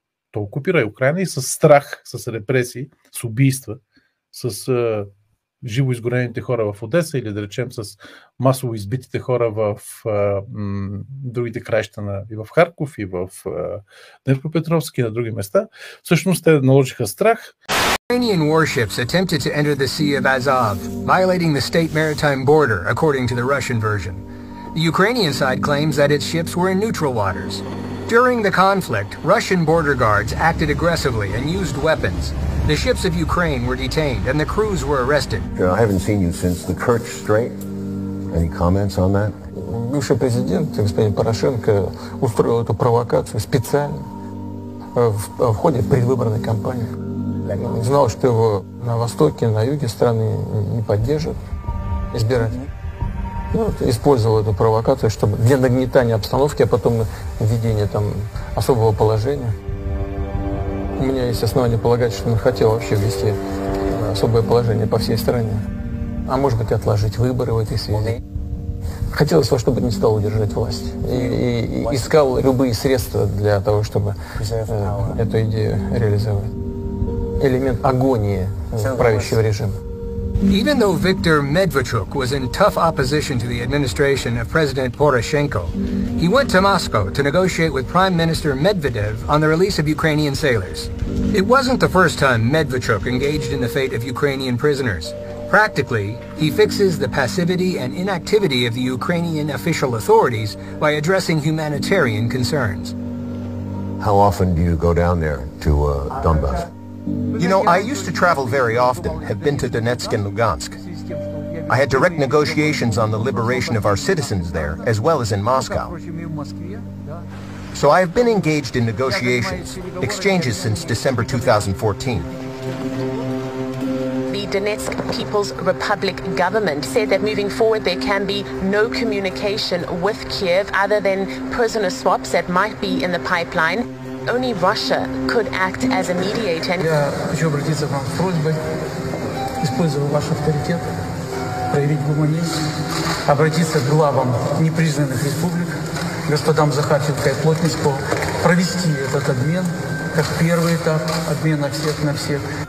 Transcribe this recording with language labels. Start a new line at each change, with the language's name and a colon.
Bulgarian: Той окупира и Украина и с страх, с репресии, с убийства, с живо изгорените хора в Одеса или да речем с масово избитите хора в другите краища на, и в Харков, и в Днепропетровск, и на други места. Всъщност те наложиха страх.
English: Ukrainian warships attempted to enter the Sea of Azov, violating the state maritime border, according to the Russian version. The Ukrainian side claims that its ships were in neutral waters. During the conflict, Russian border guards acted aggressively and used weapons. The ships of Ukraine were detained and the crews were arrested. You know, I haven't seen you since the Kerch Strait. Any comments on that?
Russian: Бывший президент, господин Порошенко, устроил эту провокацию специально в ходе предвыборной кампании. Он знал, что его на востоке, на юге страны не поддержат избиратели. Ну, вот, использовал эту провокацию, чтобы для нагнетания обстановки, а потом введения там особого положения. У меня есть основания полагать, что он хотел вообще ввести особое положение по всей стране. А может быть, отложить выборы в этой связи. Хотелось, чтобы не стал удержать власть. И искал любые средства для того, чтобы эту идею реализовать. Элемент агонии правящего режима.
English: Even though Viktor Medvedchuk was in tough opposition to the administration of President Poroshenko, he went to Moscow to negotiate with Prime Minister Medvedev on the release of Ukrainian sailors. It wasn't the first time Medvedchuk engaged in the fate of Ukrainian prisoners. Practically, he fixes the passivity and inactivity of the Ukrainian official authorities by addressing humanitarian concerns. How often do you go down there to Donbass? You know, I used to travel very often, have been to Donetsk and Lugansk. I had direct negotiations on the liberation of our citizens there, as well as in Moscow. So I have been engaged in negotiations, exchanges since December 2014. The Donetsk People's Republic government said that moving forward there can be no communication with Kiev other than prisoner swaps that might be in the pipeline. Only Russia could act as a mediator.
Russian: Я хочу обратиться к вам с просьбой, используя ваш авторитет, проявить гуманизм, обратиться к главам непризнанных республик, господам Захарченко и Плотницкого, провести этот обмен как первый этап обмена всех на всех.